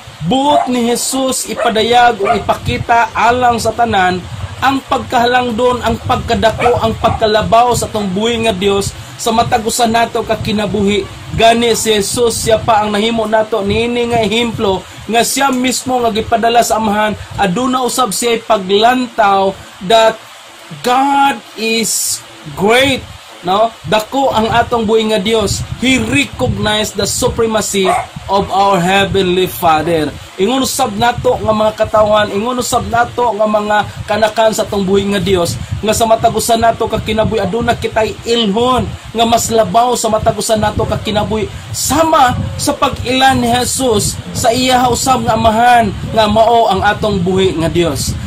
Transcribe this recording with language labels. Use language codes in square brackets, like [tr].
[ceb] Buot ni Jesus ipadayag o ipakita alang sa tanan ang pagkahalangdon, ang pagkadako, ang pagkalabaw sa atong buhi nga Dios sa matag-usa nato kakinabuhi. Gani si Jesus siya pa ang nahimo nato niini nga ehemplo nga siya mismo nga gipadala sa Amahan aduna usab siya paglantaw [en] that God is great, [ceb] no? Dako ang atong buhi nga Dios. [en] He recognized the supremacy of our heavenly Father. [ceb] Ingon usab nato nga mga katawhan, ingon usab nato nga mga kanakan sa atong buhi nga Dios nga sa matag-usa nato kakinabuhi aduna kitay ilhon nga mas labaw sa matag-usa nato kakinabuhi sama sa pag-ilan ni Jesus sa iyaha usab nga Amahan nga mao ang atong buhi nga Dios.